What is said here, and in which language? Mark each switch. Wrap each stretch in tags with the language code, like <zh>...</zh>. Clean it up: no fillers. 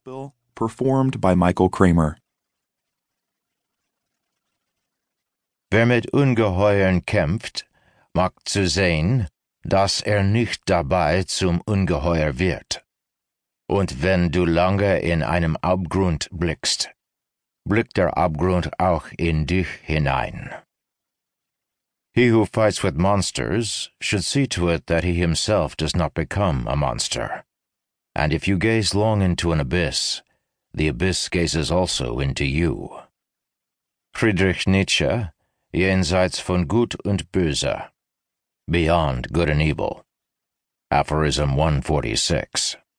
<en>Bill, performed by Michael Kremer.</en> <de>Wer mit Ungeheuern kämpft, mag zu sehen, dass nicht dabei zum Ungeheuer wird. Und wenn du lange in einem Abgrund blickst, blickt Abgrund auch in dich hinein.</de> <en>He who fights with monsters should see to it that he himself does not become a monster. And if you gaze long into an abyss, the abyss gazes also into you.</en> <de>Friedrich Nietzsche, Jenseits von Gut und Böse,</de> <en>Beyond Good and Evil,</en> <de>Aphorism 146.</de>